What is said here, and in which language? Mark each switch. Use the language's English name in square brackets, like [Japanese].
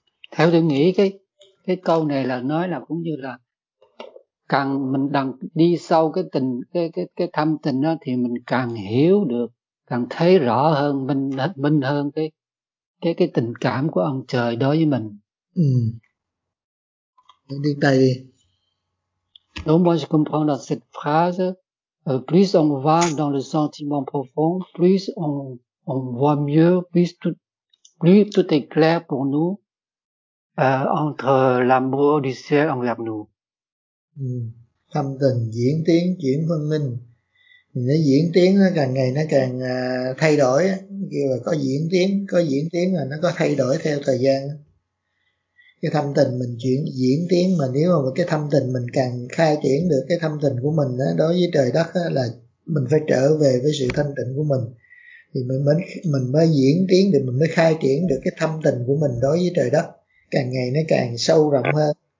[Vietnamese] Theo tôi nghĩ cái câu này là nói là cũng như là càng mình đang đi sâu cái tình cái thâm tình đó thì mình càng hiểu được, càng thấy rõ hơn, minh hơn cái tình cảm của ông trời đối với mình. Đi tay đi. [French] Donc moi je comprends dans cette phrase, plus on va dans le sentiment profond, plus on voit mieux, plus tout est clair pour nous entre l'amour du ciel envers nous. [Vietnamese] Tâm tình diễn tiến chuyển phân minh, nó diễn tiến nó càng ngày nó càng thay đổi, kêu là có diễn tiến là nó có thay đổi theo thời gian. Cái tâm tình mình chuyển diễn tiến, mà nếu mà cái tâm tình mình càng khai triển được cái tâm tình của mình đó, đối với trời đất đó, là mình phải trở về với sự thanh tịnh của mình thì mình mới diễn tiến được, mình mới khai triển được cái tâm tình của mình đối với trời đất, càng ngày nó càng sâu rộng hơn.